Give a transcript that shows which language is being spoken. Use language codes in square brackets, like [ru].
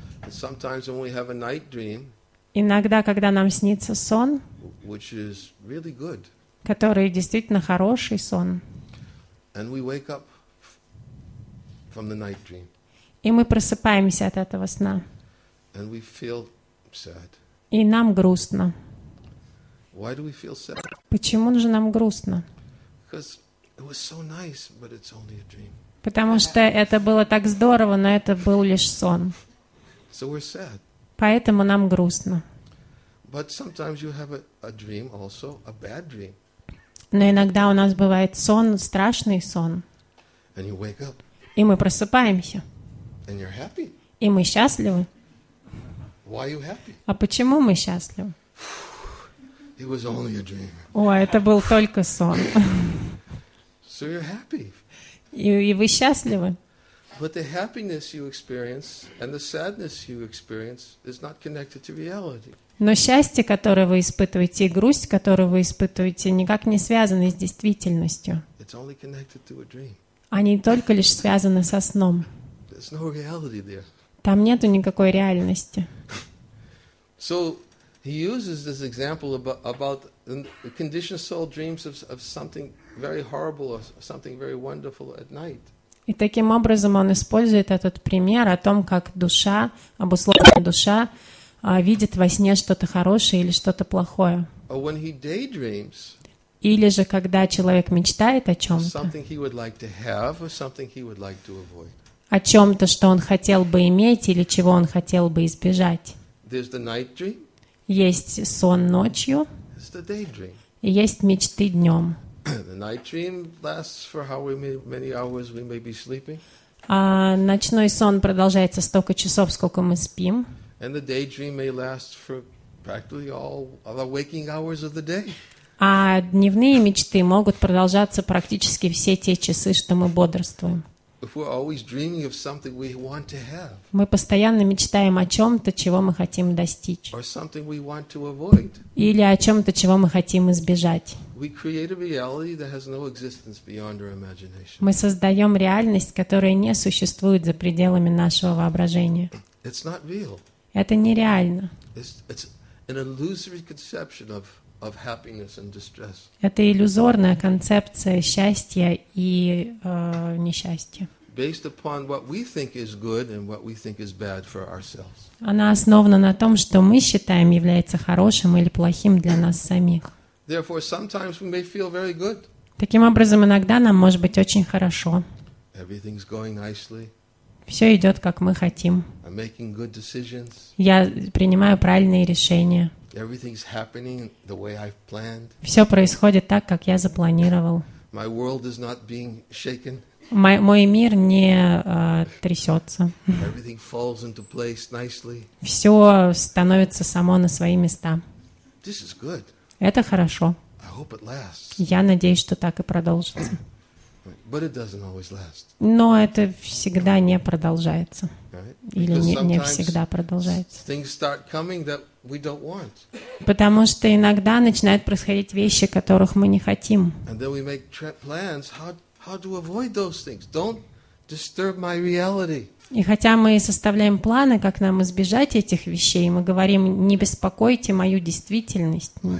[en] And sometimes when we have a night dream, [ru] иногда, когда нам снится сон, [en] which is really good, [ru] который действительно хороший сон, [en] and we wake up from the night dream, [ru] и мы просыпаемся от этого сна, [en] and we feel sad. [ru] И нам грустно. [en] Why do we feel sad? [ru] Почему же нам грустно? [en] Because it was so nice, but it's only a dream. [ru] Потому что это было так здорово, но это был лишь сон. [en] So we're sad. [ru] Поэтому нам грустно. [en] But sometimes you have a dream also, a bad dream. [ru] Но иногда у нас бывает сон, страшный сон. [en] And you wake up. [ru] И мы просыпаемся. [en] And you're happy. [ru] И мы счастливы. [en] Why are you happy? [ru] А почему мы счастливы? [en] It was only a dream. [ru] О, это был только сон. [en] So you're happy. [ru] И вы счастливы. [en] But the happiness you experience and the sadness you experience is not connected to reality. [ru] Но счастье, которое вы испытываете, и грусть, которую вы испытываете, никак не связаны с действительностью. [en] It's only connected to a dream. [ru] Они только лишь связаны со сном. [en] There's no reality there. [ru] Там нету никакой реальности. [en] So he uses this example about the conditioned soul dreams of something very horrible or something very wonderful at night. [ru] И таким образом он использует этот пример о том, как душа, обусловленная душа, видит во сне что-то хорошее или что-то плохое. [en] Or when he daydreams, [ru] или же когда человек мечтает о чем-то. [en] Something he would like to have or something he would like to avoid. [ru] О чем-то, что он хотел бы иметь или чего он хотел бы избежать. [en] There's the night dream. [ru] Есть сон ночью. [en] It's the daydream. [ru] И есть мечты днем. [en] The night dream lasts for how many hours we may be sleeping. [ru] Ночной сон продолжается столько часов, сколько мы спим. [en] And the daydream may last for practically all of the waking hours of the day. [ru] А дневные мечты могут продолжаться практически все те часы, что мы бодрствуем. [en] If we're always dreaming of something we want to have. [ru] Мы постоянно мечтаем о чем-то, чего мы хотим достичь. [en] Or something we want to avoid. [ru] Или о чем-то, чего мы хотим избежать. [en] We create a reality that has no existence beyond our imagination. [ru] Мы создаем реальность, которая не существует за пределами нашего воображения. [en] It's not real. [ru] Это нереально. [en] It's an illusory conception of happiness and distress. [ru] Это иллюзорная концепция счастья и несчастья. [en] Based upon what we think is good and what we think is bad for ourselves. [ru] Она основана на том, что мы считаем является хорошим или плохим для нас самих. [en] Therefore, sometimes we may feel very good. [ru] Таким образом, иногда нам может быть очень хорошо. [en] Everything's going nicely. [ru] Все идет, как мы хотим. [en] I'm making good decisions. [ru] Я принимаю правильные решения. [en] Everything's happening the way I've planned. [ru] Все происходит так, как я запланировал. [en] My world is not being shaken. [ru] Мой мир не трясется. [en] Everything falls into place nicely. [ru] Все становится само на свои места. [en] This is good. [ru] Это хорошо. [en] I hope it lasts. [ru] Я надеюсь, что так и продолжится. [en] But it doesn't always last. [ru] Но это всегда не продолжается. Или не всегда продолжается. [en] Things start coming that we don't want. [ru] Потому что иногда начинают происходить вещи, которых мы не хотим. [en] And then we make plans how to avoid those things. Don't disturb my reality. [ru] И хотя мы составляем планы, как нам избежать этих вещей, мы говорим, не беспокойте мою действительность.